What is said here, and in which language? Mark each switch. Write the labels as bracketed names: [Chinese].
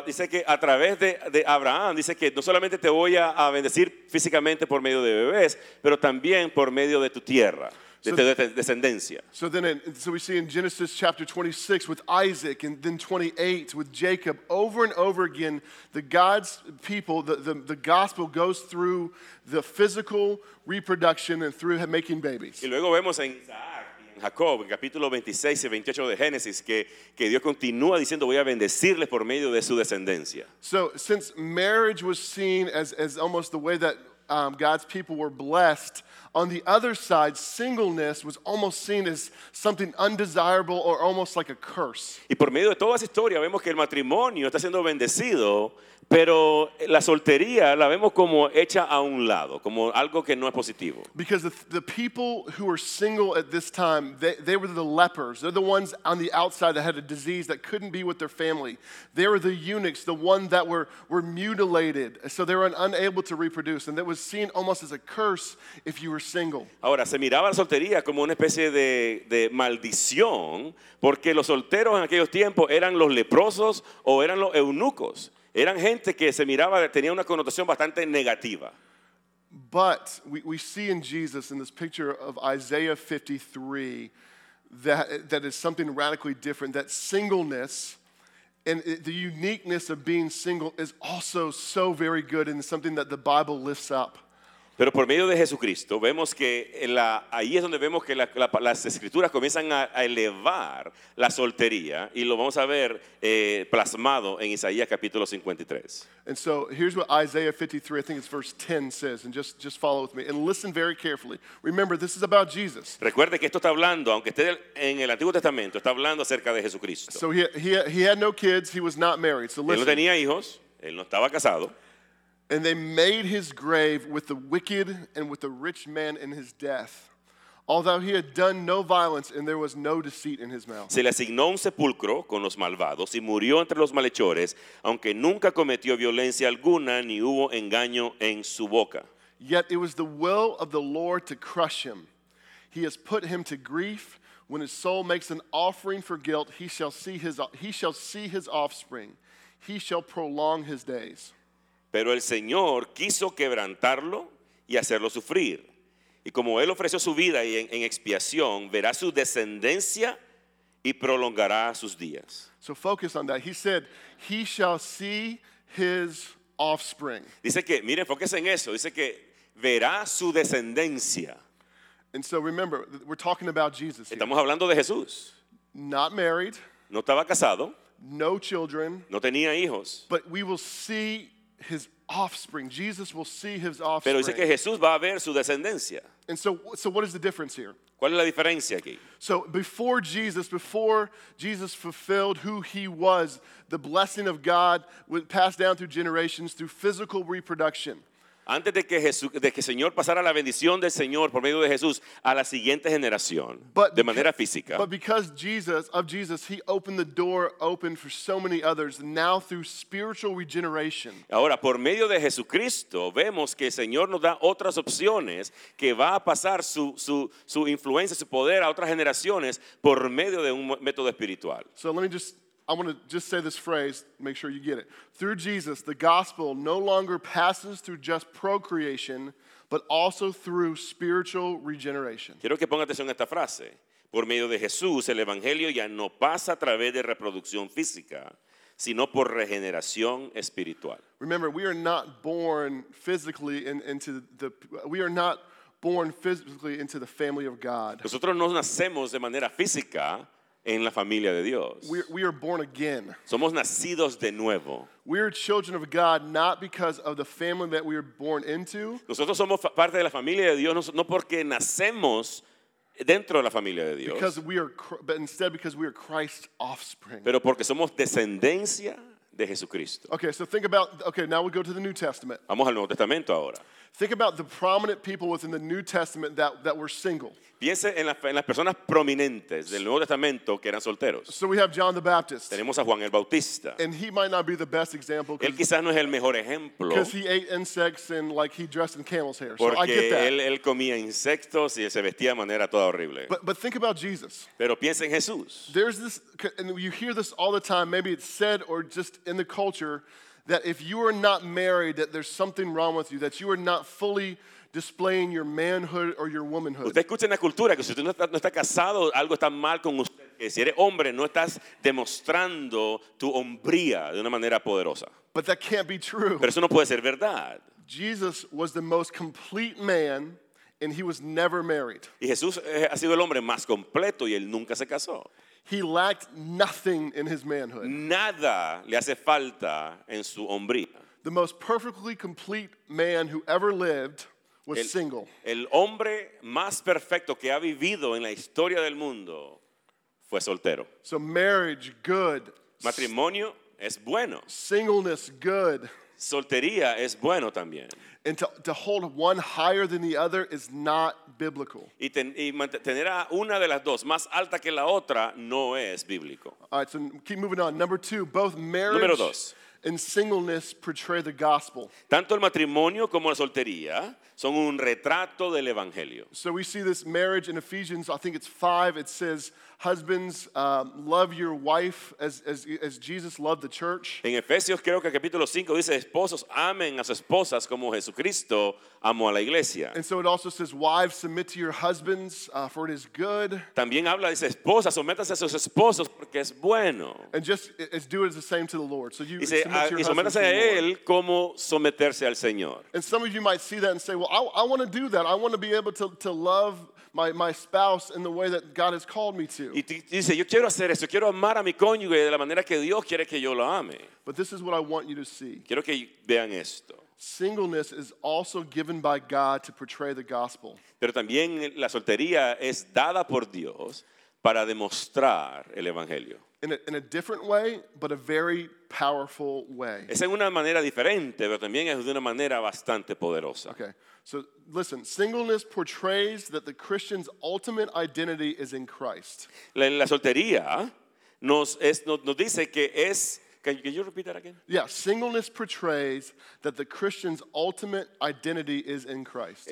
[Spanish] Dice que a través de Abraham, dice que no solamente te voy a bendecir físicamente por medio de bebés, pero también por medio de tu tierra, de tu descendencia. [English] So we see in Genesis chapter 26 with Isaac and then 28 with Jacob, over and over again, the God's people, the gospel goes through the physical reproduction and through making babies. [Spanish] Y luego vemos en Jacob, en capítulo 26 y 28 de Génesis, que Dios continúa diciendo, voy a bendecirles por medio de su descendencia. [English] So, since marriage was seen as almost the way that God's people were blessed, on the other side, singleness was almost seen as something undesirable or almost like a curse. [Spanish] Y por medio de toda esa historia, vemos que el matrimonio está siendo bendecido, pero la soltería la vemos como hecha a un lado, como algo que no es positivo. [English] Because the people who were single at this time, they were the lepers. They're the ones on the outside that had a disease that couldn't be with their family. They were the eunuchs, the ones that were mutilated. So they were unable to reproduce. And that was seen almost as a curse if you were single. [Spanish] Ahora, se miraba la soltería como una especie de maldición, porque los solteros en aquellos tiempos eran los leprosos o eran los eunucos. Eran gente que se miraba, tenía una connotación bastante negativa. [English] But we see in Jesus, in this picture of Isaiah 53, that is something radically different, that singleness and the uniqueness of being single is also so very good and something that the Bible lifts up. [Spanish] Pero por medio de Jesucristo vemos que ahí es donde vemos que las escrituras comienzan a elevar la soltería y lo vamos a ver plasmado en Isaías capítulo 53. [English] And so here's what Isaiah 53, I think it's verse 10 says, and just follow with me and listen very carefully. Remember, this is about Jesus. [Spanish] Recuerde que esto está hablando, aunque esté en el Antiguo Testamento, está hablando acerca de Jesucristo. [English] So he had no kids, he was not married. So listen. [Spanish] Él no tenía hijos, él no estaba casado. [English] And they made his grave with the wicked and with the rich man in his death, although he had done no violence and there was no deceit in his mouth. [Spanish] Se le asignó un sepulcro con los malvados y murió entre los malhechores, aunque nunca cometió violencia alguna ni hubo engaño en su boca. [English] Yet it was the will of the Lord to crush him. He has put him to grief. When his soul makes an offering for guilt, he shall see his offspring. He shall prolong his days. [Spanish] Pero el Señor quiso quebrantarlo y hacerlo sufrir. Y como Él ofreció su vida y en expiación, verá su descendencia y prolongará sus días. [English] So focus on that. He said, he shall see his offspring. [Spanish] Dice que, mire, enfóquese en eso. Dice que verá su descendencia. [English] And so remember, we're talking about Jesus. [Spanish] Estamos hablando de Jesús. [English] Not married. [Spanish] No estaba casado. [English] No children. [Spanish] No tenía hijos. [English] But we will see his offspring. Jesus will see his offspring. [Spanish] Pero dice que Jesús va a ver su descendencia. [English] And so what is the difference here? [Spanish] ¿Cuál es la diferencia aquí? [English] So before Jesus fulfilled who he was, the blessing of God was passed down through generations through physical reproduction. [Spanish] Antes de que Jesús, de que Señor pasara la bendición del Señor por medio de Jesús a la siguiente generación, [English] but [Spanish] de manera física. [English] But because of Jesus, he opened the door open for so many others, now through spiritual regeneration. [Spanish] Ahora, por medio de Jesucristo, vemos que el Señor nos da otras opciones, que va a pasar su influencia, su poder a otras generaciones por medio de un método espiritual. [English] So let me just... I want to just say this phrase, make sure you get it. Through Jesus, the gospel no longer passes through just procreation, but also through spiritual regeneration. [Spanish] Quiero que ponga atención a esta frase. Por medio de Jesús, el evangelio ya no pasa a través de reproducción física, sino por regeneración espiritual. [English] Remember, we are not born physically into the family of God. [Spanish] Nosotros no nacemos de manera física en la familia de Dios. [English] We are born again. [Spanish] Somos nacidos de nuevo. [English] We are children of God not because of the family that we are born into. [Spanish] Nosotros somos parte de la familia de Dios no porque nacemos dentro de la familia de Dios. [English] Because we are Christ's offspring. [Spanish] Pero porque somos descendencia de Jesucristo. [English] Okay, so think about, okay, now we go to the New Testament. [Spanish] Vamos al Nuevo Testamento ahora. [English] Think about the prominent people within the New Testament that were single. [Spanish] Piense en las personas prominentes del Nuevo Testamento que eran solteros. [English] So we have John the Baptist. [Spanish] Tenemos a Juan el Bautista. [English] And he might not be the best example. [Spanish] Él quizás no es el mejor ejemplo. [English] Because he ate insects and like he dressed in camel's hair. [Spanish] Porque [English] so I get that. [Spanish] Él comía insectos y se vestía de manera toda horrible. [English] But think about Jesus. [Spanish] Pero piense en Jesús. [English] There's this, and you hear this all the time, maybe it's said or just in the culture, that if you are not married, that there's something wrong with you, that you are not fully displaying your manhood or your womanhood. [Spanish] Usted escucha en la cultura que si usted no está casado, algo está mal con usted. Que si eres hombre, no estás demostrando tu hombría de una manera poderosa. [English] But that can't be true. [Spanish] Pero eso no puede ser verdad. [English] Jesus was the most complete man, and he was never married. [Spanish] Y Jesús ha sido el hombre más completo, y él nunca se casó. [English] He lacked nothing in his manhood. [Spanish] Nada le hace falta en su hombría. [English] The most perfectly complete man who ever lived was single. [Spanish] El hombre más perfecto que ha vivido en la historia del mundo fue soltero. [English] So marriage, good. [Spanish] Matrimonio es bueno. [English] Singleness, good. [Spanish] Soltería es bueno también. [English] And to hold one higher than the other is not biblical. [Spanish] Y tener a una de las dos más alta que la otra no es bíblico. [English] All right, so keep moving on. Number two, both marriage and singleness portray the gospel. [Spanish] Tanto el matrimonio como la soltería son un retrato del evangelio. [English] So we see this marriage in Ephesians, I think it's 5, it says, husbands, love your wife as Jesus loved the church. [Spanish] En Efesios creo que capítulo 5 dice, esposos, amen a sus esposas como Jesucristo amó a la iglesia. [English] And so it also says, wives, submit to your husbands, for it is good. [Spanish] También habla, dice, esposas, sométanse a sus esposos porque es bueno. [English] And just do it as the same to the Lord. So you [Spanish] dice, [English] submit [Spanish] y sométase a él como someterse al Señor. [English] And some of you might see that and say, well, I want to do that. I want to be able to love my spouse in the way that God has called me to. [Spanish] Y dice, yo quiero hacer eso. Quiero amar a mi cónyuge de la manera que Dios quiere que yo lo ame. [English] But this is what I want you to see. [Spanish] Quiero que vean esto. [English] Singleness is also given by God to portray the gospel. [Spanish] Pero también la soltería es dada por Dios para demostrar el evangelio. [English] In a different way, but a very powerful way. [Spanish] Es en una manera diferente, pero también es de una manera bastante poderosa. [English] Okay. So listen, singleness portrays that the Christian's ultimate identity is in Christ. [Spanish] La soltería nos dice que es. [English] Can you repeat that again? Yeah, singleness portrays that the Christian's ultimate identity is in Christ.